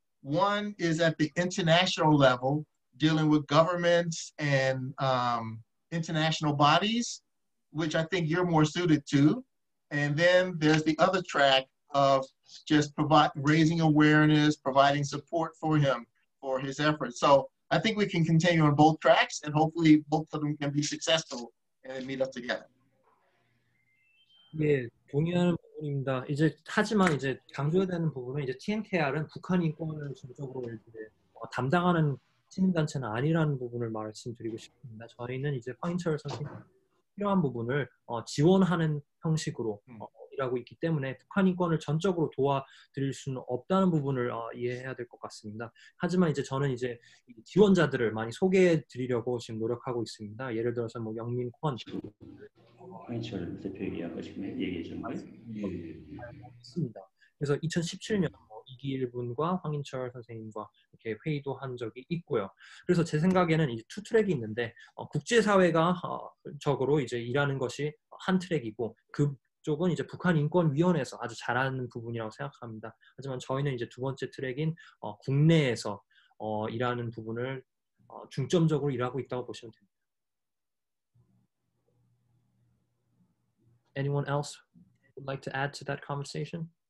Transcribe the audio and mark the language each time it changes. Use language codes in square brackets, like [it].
[en] One is at the international level, dealing with governments and international bodies, which I think you're more suited to. And then there's the other track of just raising awareness, providing support for him, for his efforts. So I think we can continue on both tracks, and hopefully both of them can be successful and meet up together. [ko] 예, 동의하는 부분입니다. 이제 하지만 이제 강조해야 되는 부분은 이제 TNKR은 북한 인권을 중점으로 이제 담당하는 시민단체는 아니라는 부분을 말씀드리고 싶습니다. 저희는 이제 황인철 선생님 필요한 부분을 지원하는 형식으로 일하고 있기 때문에 북한 인권을 전적으로 도와드릴 수는 없다는 부분을 이해해야 될 것 같습니다. 하지만 이제 저는 이제 지원자들을 많이 소개해 드리려고 지금 노력하고 있습니다. 예를 들어서 뭐 영민권 황인철 대표에게 아까 지금 얘기해 준 말씀을 했습니다. 그래서 2017년 이기일분과 황인철 선생님과 이렇게 회의도 한 적이 있고요. 그래서 제 생각에는 이제 투 트랙이 있는데 국제사회가 적으로 이제 일하는 것이 한 트랙이고 그쪽은 이제 북한 인권위원회에서 아주 잘하는 부분이라고 생각합니다. 하지만 저희는 이제 두 번째 트랙인 국내에서 일하는 부분을 중점적으로 일하고 있다고 보시면 됩니다. [en] Anyone else would like to add to that conversation?